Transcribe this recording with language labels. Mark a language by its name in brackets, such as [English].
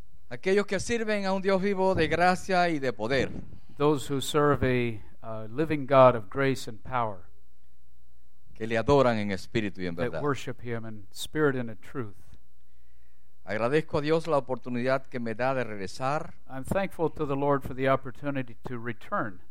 [Spanish] Aquellos que sirven a un Dios vivo de gracia y de poder. [English] Those who serve a living God of grace and power. [Spanish] Que le adoran en espíritu y en verdad. [English] That worship him in spirit and in truth. [Spanish] Agradezco a Dios la oportunidad que me da de regresar. [English] I'm thankful to the Lord for the opportunity to return.